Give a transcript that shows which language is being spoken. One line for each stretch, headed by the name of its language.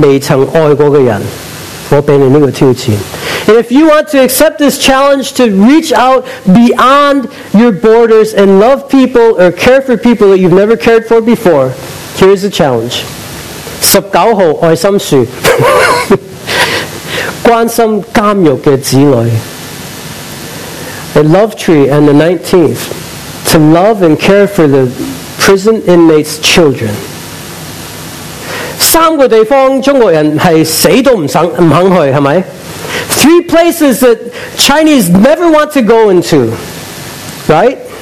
Chinese: 如果你想实践超越你的界限去爱一些你未曾爱过的人，我给你这个挑战。
English: And if you want to accept this challenge to reach out beyond your borders and love people or care for people that you've never cared for before, here's the challenge.
Chinese: 19号爱心树， 关心监狱的子女。
English: A love tree on the 19th. To love and care for the prison inmates' children.
Chinese: 三个地方中国人是死都不肯去，是吧？
English: Three places that Chinese never want to go into, right?